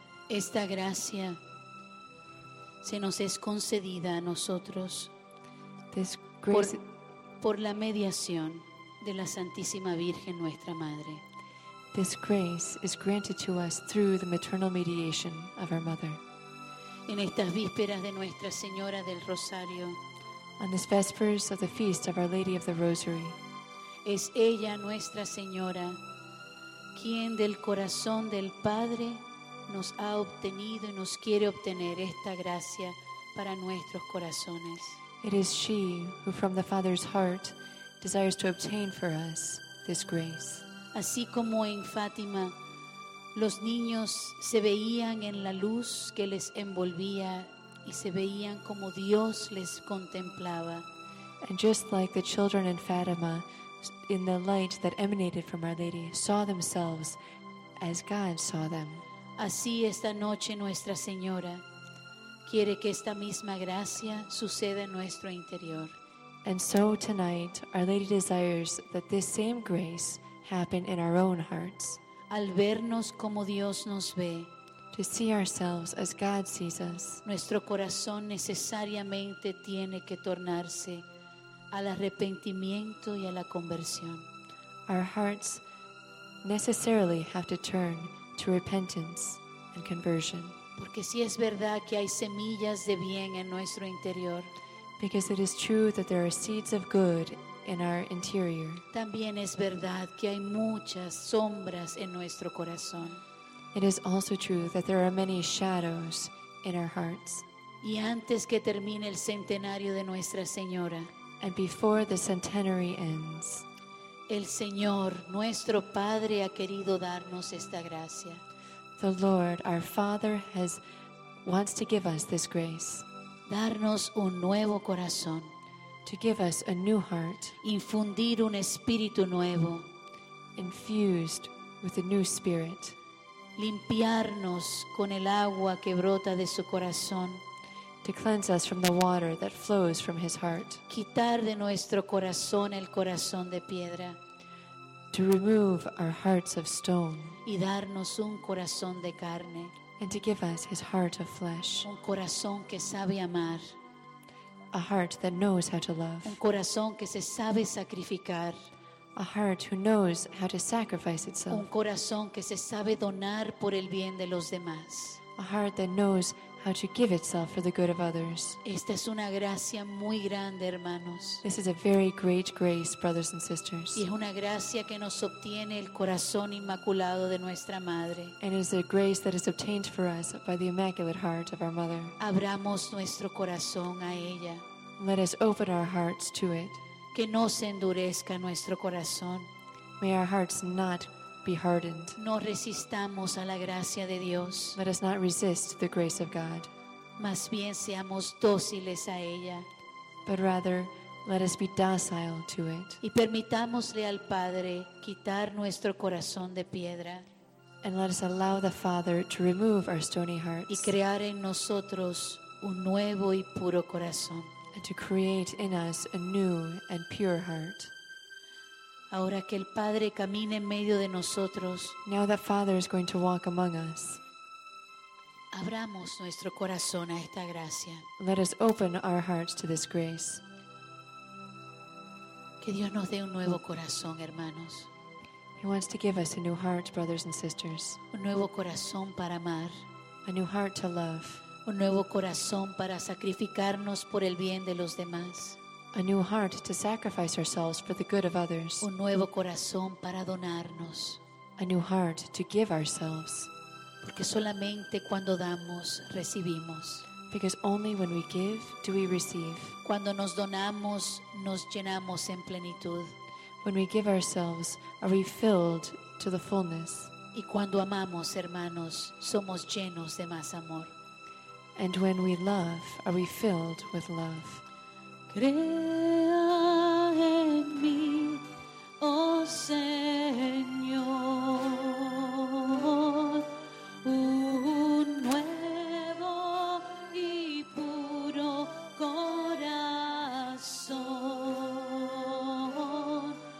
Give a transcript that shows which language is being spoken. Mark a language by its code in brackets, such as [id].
[es] Esta gracia se nos es concedida a nosotros. [en] This grace. [es] Por la mediación de la Santísima Virgen, nuestra Madre. [en] This grace is granted to us through the maternal mediation of our Mother. [es] En estas vísperas de Nuestra Señora del Rosario. [en] On this vespers of the feast of Our Lady of the Rosary. [es] Es ella, Nuestra Señora, quien del corazón del Padre nos ha obtenido y nos quiere obtener esta gracia para nuestros corazones. [en] It is she who from the Father's heart desires to obtain for us this grace. [es] Así como en Fátima los niños se veían en la luz que les envolvía y se veían como Dios les contemplaba. [en] And just like the children in Fatima, in the light that emanated from Our Lady, saw themselves as God saw them. [es] Así esta noche Nuestra Señora quiere que esta misma gracia suceda en nuestro interior. [en] And so tonight Our Lady desires that this same grace happen in our own hearts. [es] Al vernos como Dios nos ve, [en] to see ourselves as God sees us, [es] nuestro corazón necesariamente tiene que tornarse al arrepentimiento y a la conversión. [en] Our hearts necessarily have to turn to repentance and conversion. [es] Porque si es verdad que hay semillas de bien en nuestro interior, [en] because it is true that there are seeds of good in our interior, [es] también es verdad que hay muchas sombras en nuestro corazón. [en] It is also true that there are many shadows in our hearts. [es] Y antes que termine el centenario de Nuestra Señora, [en] and before the centenary ends, [es] el Señor, nuestro Padre, ha querido darnos esta gracia. [en] The Lord, our Father, has wants to give us this grace. [es] Darnos un nuevo corazón. [en] To give us a new heart. [es] Infundir un espíritu nuevo. [en] Infused with a new spirit. [es] Limpiarnos con el agua que brota de su corazón. [en] To cleanse us from the water that flows from his heart. [es] Quitar de nuestro corazón el corazón de piedra. [en] To remove our hearts of stone. [es] Y darnos un corazón de carne. [en] And to give us his heart of flesh. [es] Un corazón que sabe amar. [en] A heart that knows how to love. [es] Un corazón que se sabe sacrificar. [en] A heart who knows how to sacrifice itself. [es] Un corazón que se sabe donar por el bien de los demás. [en] A heart that knows how to give itself for the good of others. [es] Esta es una gracia muy grande, hermanos. [en] This is a very great grace, brothers and sisters. [es] Y es una gracia que nos obtiene el corazón inmaculado de nuestra madre. [en] And it is a grace that is obtained for us by the immaculate heart of our mother. [es] Abramos nuestro corazón a ella. [en] Let us open our hearts to it. [es] Que no se endurezca nuestro corazón. [en] May our hearts not be hardened. [es] No resistamos a la gracia de Dios. [en] Let us not resist the grace of God. [es] Más bien seamos dóciles a ella. [en] But rather, let us be docile to it. [es] Y permitámosle al Padre quitar nuestro corazón de piedra. [en] And let us allow the Father to remove our stony hearts. [es] Y crear en nosotros un nuevo y puro corazón. [en] And to create in us a new and pure heart. [es] Ahora que el Padre camine en medio de nosotros, [en] now that Father is going to walk among us, [es] abramos nuestro corazón a esta gracia. [en] Let us open our hearts to this grace. [es] Que Dios nos dé un nuevo corazón, hermanos. [en] He wants to give us a new heart, brothers and sisters. [es] Un nuevo corazón para amar. [en] A new heart to love. [es] Un nuevo corazón para sacrificarnos por el bien de los demás. [en] A new heart to sacrifice ourselves for the good of others. [es] Un nuevo corazón para donarnos. [en] A new heart to give ourselves. [es] Porque solamente cuando damos, recibimos. [en] Because only when we give do we receive. [es] Cuando nos donamos, nos llenamos en plenitud. [en] When we give ourselves, are we filled to the fullness. [es] Y cuando amamos, hermanos, somos llenos de más amor. [en] And when we love, are we filled with love. [es] Crea en mí, oh Señor, un nuevo y puro corazón.